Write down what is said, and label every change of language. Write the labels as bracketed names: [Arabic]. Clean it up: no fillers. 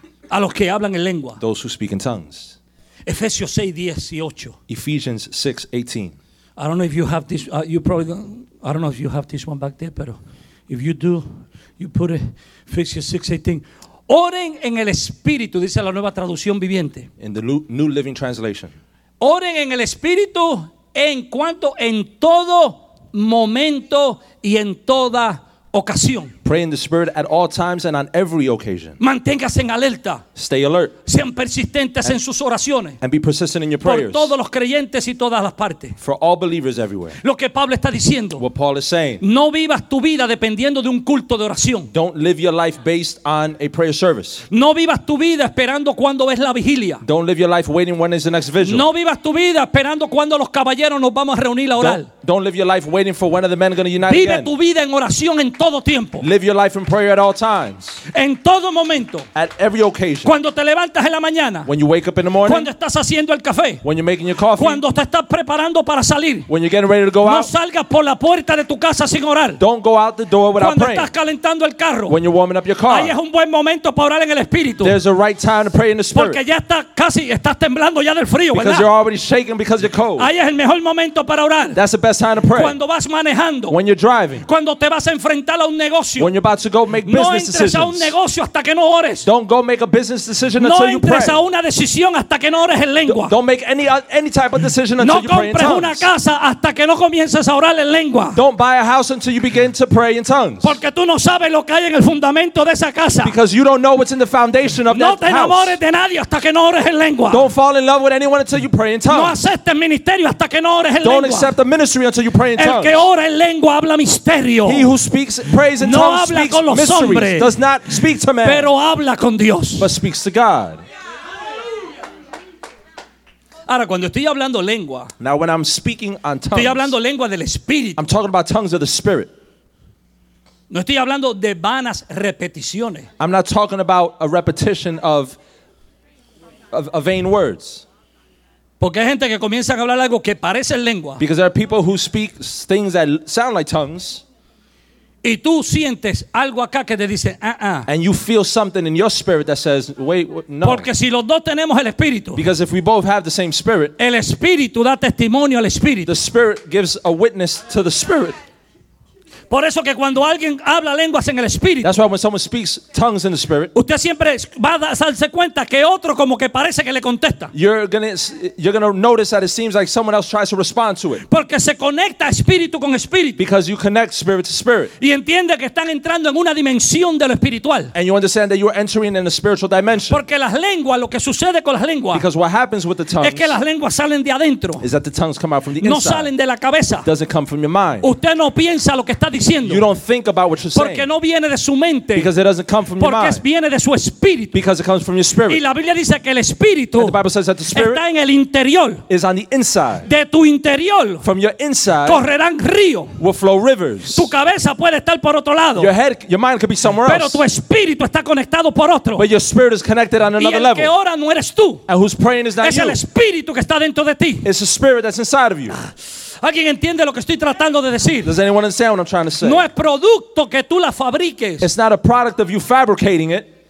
[Spanish] A los que hablan en lengua. [English] Those who speak in tongues. [Spanish] Efesios 6:18. [English] Ephesians 6:18. I don't know if you have this. You probably don't. I don't know if you have this one back there. [Spanish] Pero [English] if you do, you put it. Ephesians 6:18. [Spanish] Oren en el Espíritu, dice la Nueva Traducción Viviente. [English] In the New Living Translation. [Spanish] Oren en el Espíritu en cuanto en todo momento y en toda ocasión. [English] Pray in the Spirit at all times and on every occasion. [Spanish] Manténgase en alerta. [English] Stay alert. [Spanish] Sean persistentes en sus oraciones. [English] And be persistent in your prayers. [Spanish] Por todos los creyentes y todas las partes. [English] For all believers everywhere. [Spanish] Lo que Pablo está diciendo. [English] What Paul is saying. [Spanish] No vivas tu vida dependiendo de un culto de oración. [English] Don't live your life based on a prayer service. [Spanish] No vivas tu vida esperando cuando es la vigilia. [English] Don't live your life waiting when is the next vigil. [Spanish] No vivas tu vida esperando cuando los caballeros nos vamos a reunir a orar. [English] Don't live your life waiting for when are the men going to unite [Spanish] Vive [English] again. [Spanish] Vive tu vida en oración en todo tiempo. [English] Live your life in prayer at all times. [Spanish] En todo momento. [English] At every occasion. [Spanish] Cuando te levantas en la mañana. [English] When you wake up in the morning. [Spanish] Cuando estás haciendo el café. [English] When you're making your coffee. [Spanish] Cuando te estás preparando para salir. [English] When you're getting ready to go out. [Spanish] No salgas por la puerta de tu casa sin orar. [English] Don't go out the door without [Spanish] Cuando [English] praying. [Spanish] Cuando estás calentando el carro. [English] When you're warming up your car. [Spanish] Ahí es un buen momento para orar en el Espíritu. [English] There's a right time to pray in the Spirit. [Spanish] Porque ya estás temblando ya del frío, [English] because [Spanish] ¿verdad? [English] You're already shaking because you're cold. [Spanish] Ahí es el mejor momento para orar. [English] That's the best time to pray. [Spanish] Cuando vas manejando. [English] When you're driving. [Spanish] Cuando te vas a enfrentar a un negocio. [English] When you're about to go make business decisions. [Spanish] No entres a un negocio hasta que no ores. [English] Don't go make a business decision until [Spanish] no [English] you pray. [Spanish] No entres a una decisión hasta que no ores en lengua. [English] Don't make any type of decision until you pray in tongues. [Spanish] No compres una casa hasta que no comiences a orar en lengua. [English] Don't buy a house until you begin to pray in tongues. [Spanish] Porque tú no sabes lo que hay en el fundamento de esa casa. [English] Because you don't know what's in the foundation of [Spanish] no [English] that house. [Spanish] No te enamores de nadie hasta que no ores en lengua. [English] Don't fall in love with anyone until you pray in tongues. [Spanish] No aceptes ministerio hasta que no ores en [English] don't [Spanish] lengua. [English] Don't accept the ministry until you pray in [Spanish] el [English] tongues. [Spanish] El que ora en lengua habla misterio. [English] He who speaks prays in [Spanish] No habla con los hombres, [English] does not speak to man, [Spanish] pero habla con Dios. [English] But speaks to God. [Spanish] Ahora, cuando estoy hablando lengua, [English] now when I'm speaking on tongues, [Spanish] estoy hablando lengua del Espíritu. [English] I'm talking about tongues of the Spirit. [Spanish] No estoy hablando de vanas repeticiones. [English] I'm not talking about a repetition of vain words. [Spanish] Porque hay gente que comienza a hablar algo que parece lengua. [English] Because there are people who speak things that sound like tongues. [Spanish] Y tú sientes algo acá que te dice, [English] And you feel something in your spirit that says, wait, no. [Spanish] Porque si los dos tenemos el Espíritu. [English] Because if we both have the same spirit. [Spanish] El Espíritu da testimonio al Espíritu. [English] The Spirit gives a witness to the Spirit. [Spanish] Por eso que cuando alguien habla lenguas en el espíritu, [English] that's why when someone speaks tongues in the spirit, [Spanish] usted siempre va a darse cuenta que otro como que parece que le contesta. [English] You're gonna notice that it seems like someone else tries to respond to it. [Spanish] Porque se conecta espíritu con espíritu. [English] Because you connect spirit to spirit. [Spanish] Y entiende que están entrando en una dimensión de lo espiritual. [English] And you understand that you are entering in a spiritual dimension. [Spanish] Porque las lenguas, lo que sucede con las lenguas, [English] because what happens with the tongues, [Spanish] es que las lenguas salen de adentro. [English] Is that the tongues come out from the inside. [Spanish] No salen de la cabeza. [English] It doesn't come from your mind. [Spanish] Usted no piensa lo que está diciendo. [English] You don't think about what you're saying. [Spanish] Porque no viene de su mente. [English] Because it doesn't come from your mind. [Spanish] Porque viene de su espíritu. [English] Because it comes from your spirit. [Spanish] Y la Biblia dice que el espíritu, [English] and the Bible says that the spirit, [Spanish] está en el interior. [English] Is on the inside. [Spanish] De tu interior. [English] From your inside. [Spanish] Correrán ríos. [English] Will flow rivers. [Spanish] Tu cabeza puede estar por otro lado. [English] Your head, your mind could be somewhere [Spanish] pero [English] else. [Spanish] Pero tu espíritu está conectado por otro. [English] But your spirit is connected on another level. [Spanish] Y el que ora no eres tú. [English] And who's praying is not [Spanish] es [English] you. [Spanish] Es el espíritu que está dentro de ti. [English] It's the spirit that's inside of you. [Spanish] ¿Alguien entiende lo que estoy tratando de decir? [English] Does anyone understand what I'm trying to say? [Spanish] No es producto que tú la fabriques. [English] It's not a product of you fabricating it.